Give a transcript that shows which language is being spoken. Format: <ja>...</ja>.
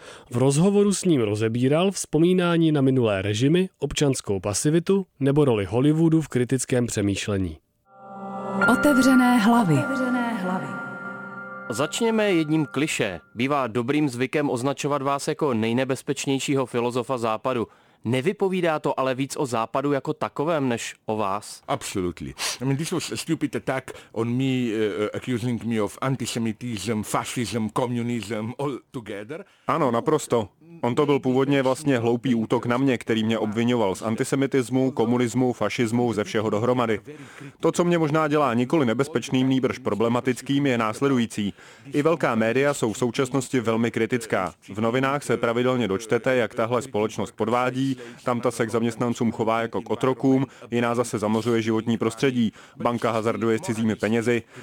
<cs>V rozhovoru s ním rozebíral vzpomínání na minulé režimy, občanskou pasivitu nebo roli Hollywoodu v kritickém přemýšlení. Otevřené hlavy. Otevřené hlavy. Začněme jedním klišé. Bývá dobrým zvykem označovat vás jako nejnebezpečnějšího filozofa Západu. Nevypovídá to ale víc o Západu jako takovém, než o vás?</cs> <en>Absolutely. I mean, this was a stupid attack on me, accusing me of antisemitism, fascism, communism, all together.</en> <cs>Ano, naprosto. On to byl původně vlastně hloupý útok na mě, který mě obvinoval z antisemitismu, komunismu, fašismu, ze všeho dohromady. To, co mě možná dělá nikoli nebezpečným, nýbrž problematickým, je následující. I velká média jsou v současnosti velmi kritická. V novinách se pravidelně dočtete, jak tahle společnost podvádí, tamta se k zaměstnancům chová jako k otrokům, jiná zase zamořuje životní prostředí, banka hazarduje s cizími penězi.</cs>